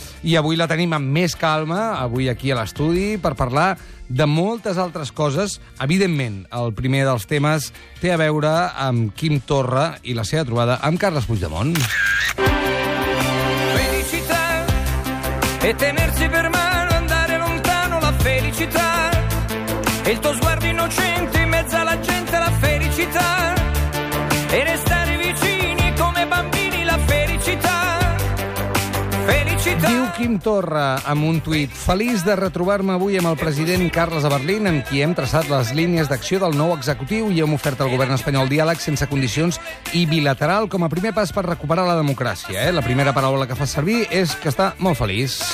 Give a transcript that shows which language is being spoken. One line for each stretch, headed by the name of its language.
Catalan: I avui la tenim amb més calma, avui aquí a l'estudi, per parlar de moltes altres coses. Evidentment, el primer dels temes té a veure amb Quim Torra i la seva trobada amb Carles Puigdemont.
Italian: Felicitat e tenersi per mano andare lontano la felicità e il tuo sguardo innocente la gente la felicità e restare vicini come bambini la felicità felicità.
Catalan: Diu Quim Torra amb un tuit: feliç de retrobar-me avui amb el president Carles a Berlín, amb qui hem traçat les línies d'acció del nou executiu i hem ofert al govern espanyol diàleg sense condicions i bilateral com a primer pas per recuperar la democràcia. La primera paraula que fa servir és que està molt feliç.